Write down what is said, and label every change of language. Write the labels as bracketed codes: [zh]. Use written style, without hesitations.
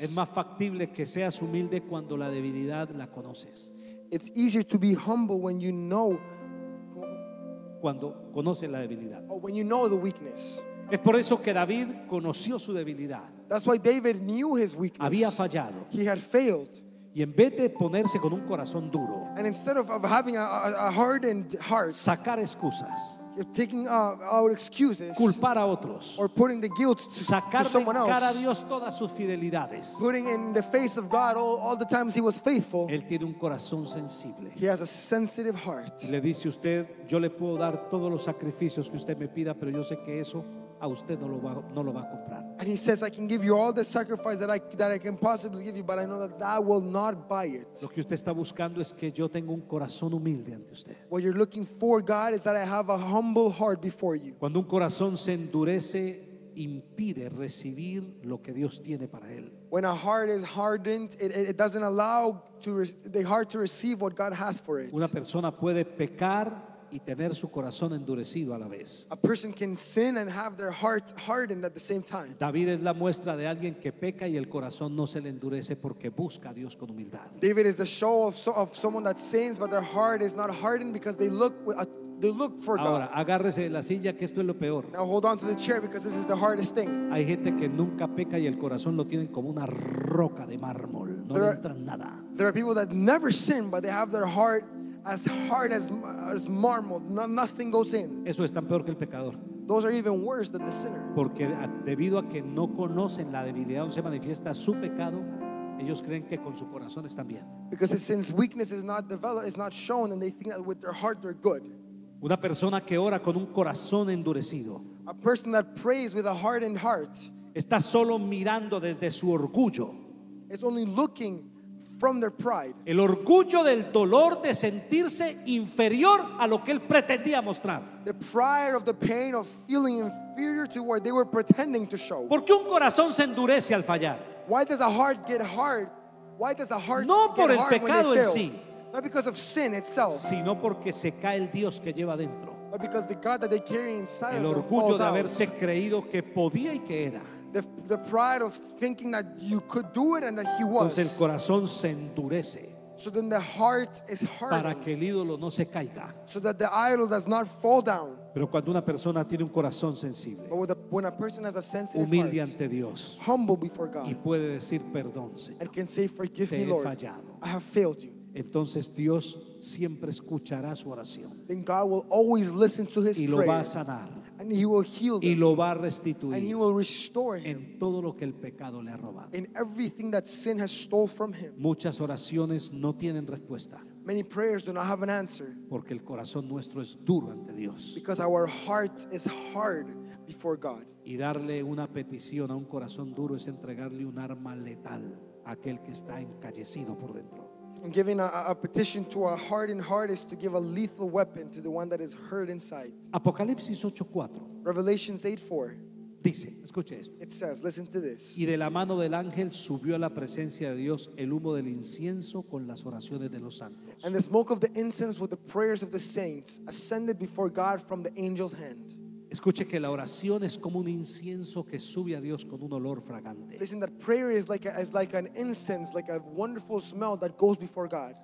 [es] Es más factible que seas humilde cuando la debilidad la conoces. [en] It's easier to be humble when you know. [es] Cuando conoces la debilidad. [en] Or when you know the weakness. [es] Es por eso que David conoció su debilidad. [en] That's why David knew his weakness. [es] Había fallado. [en] He had failed. [es] Y en vez de ponerse con un corazón duro, [en] and instead of having a hardened heart, [es] sacar excusas, [en] taking out excuses, [es] culpar a otros, [en] or putting the guilt to, [es] sacar [en] to someone [es] de cara [en] else, [es] a Dios todas sus fidelidades, [en] putting in the face of God all the times he was faithful, [es] él tiene un corazón sensible. [en] He has a sensitive heart. [es] Y le dice usted, yo le puedo dar todos los sacrificios que usted me pida, pero yo sé que eso a usted no lo va a comprar. [en] And he says, I can give you all the sacrifice that I can possibly give you, but I know that will not buy it. [es] Lo que usted está buscando es que yo tenga un corazón humilde ante usted. [en] What you're looking for, God, is that I have a humble heart before you. [es] Cuando un corazón se endurece, impide recibir lo que Dios tiene para él. [en] When a heart is hardened, it doesn't allow the heart to receive what God has for it. [es] Una persona puede pecar y tener su corazón endurecido a la vez. [en] A person can sin and have their heart hardened at the same time. [es] David es la muestra de alguien que peca y el corazón no se le endurece porque busca a Dios con humildad. [en] David is the show of someone that sins, but their heart is not hardened because they look for God. [es] Ahora, agárrese de la silla, que esto es lo peor. Now hold on to the chair because this is the hardest thing. Hay gente que nunca peca y el corazón lo tienen como una roca de mármol. No le entra nada. [en] There are people that never sin, but they have their heart as hard as marble, nothing goes in. [es] Eso es tan peor que el pecador. [en] Those are even worse than the sinner. [es] Porque debido a que no conocen la debilidad donde se manifiesta su pecado, ellos creen que con su corazón están bien. [en] Because since weakness is not developed, it's not shown, and they think that with their heart they're good. [es] Una persona que ora con un corazón endurecido. [en] A person that prays with a hardened heart. [es] Está solo mirando desde su orgullo. [en] It's only looking from their pride. [es] El orgullo del dolor de sentirse inferior a lo que él pretendía mostrar. [en] The pride of the pain of feeling inferior to what they were pretending to show. [es] ¿Por qué un corazón se endurece al fallar? [en] Why does a heart get hard? Why does a heart [es] no [en] get hard? [es] No por el pecado en sí. [en] Not because of sin itself. [es] Sino porque se cae el Dios que lleva dentro. [en] But because the God that they carry inside. [es] El orgullo de haberse creído que podía y que era. [en] The pride of thinking that you could do it and that he was. [es] Entonces el corazón se endurece. [en] So then the heart is hardened. [es] Para que el ídolo no se caiga. [en] So that the idol does not fall down. [es] Pero cuando una persona tiene un corazón sensible. [en] But when a person has a sensitive [es] humilde [en] heart, [es] ante Dios. [en] Humble before God. [es] Y puede decir perdón, Señor. [en] And can say forgive me, Lord. [es] Te he fallado. [en] I have failed you. [es] Entonces Dios siempre escuchará su oración. [en] Then God will always listen to his [es] y lo [en] prayer. [es] Va a sanar. [en] And he will heal them. [es] Y lo va a restituir. [en] And he will restore him. [es] En todo lo que el pecado le ha robado. [en] In everything that sin has stole from him. [es] Muchas oraciones no tienen respuesta. [en] Many prayers do not have an answer. [es] Porque el corazón nuestro es duro ante Dios. [en] Because our heart is hard before God. [es] Y darle una petición a un corazón duro es entregarle un arma letal a aquel que está encallecido por dentro. [en] And giving a petition to a hardened heart is to give a lethal weapon to the one that is hurt inside. [es] Apocalipsis 8:4. [en] Revelations 8:4. [es] Dice, escuche esto. [en] It says, listen to this. [es] Y de la mano del ángel subió a la presencia de Dios el humo del incienso con las oraciones de los santos. [en] And the smoke of the incense with the prayers of the saints ascended before God from the angel's hand. [es] Escuche que la oración es como un incienso que sube a Dios con un olor fragante. [en] Listen, that prayer is like an incense, like a wonderful smell that goes before God.